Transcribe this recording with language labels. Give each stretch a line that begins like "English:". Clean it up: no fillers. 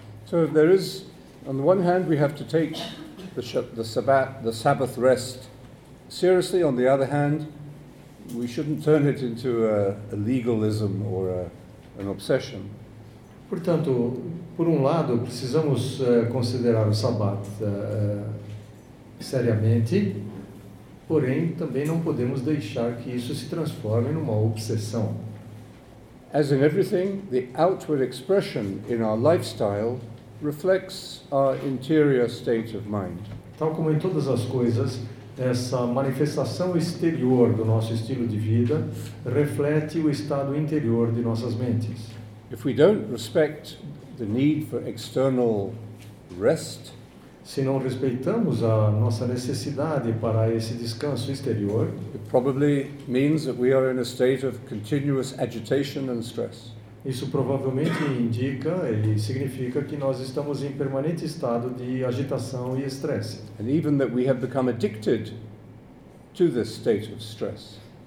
English: So there is, on the one hand, we have to take the Sabbath rest seriously. On the other hand, we shouldn't turn it into a legalism or an obsession.
Portuguese: Portanto, por um lado, precisamos considerar o Sabbath seriamente, porém também não podemos deixar que isso se transforme numa obsessão.
English: As in everything, the outward expression in our lifestyle reflects our interior state of mind.
Portuguese: Tal como em todas as coisas, essa manifestação exterior do nosso estilo de vida reflete o estado interior de nossas mentes.
English: If we don't respect the need for external rest,
Portuguese: se não respeitamos a nossa necessidade para esse descanso exterior,
English: it probably means that we are in a state of continuous agitation and stress.
Portuguese: Isso provavelmente indica e significa que nós estamos em permanente estado de agitação e estresse.
English: And even that we have become addicted to this state of stress.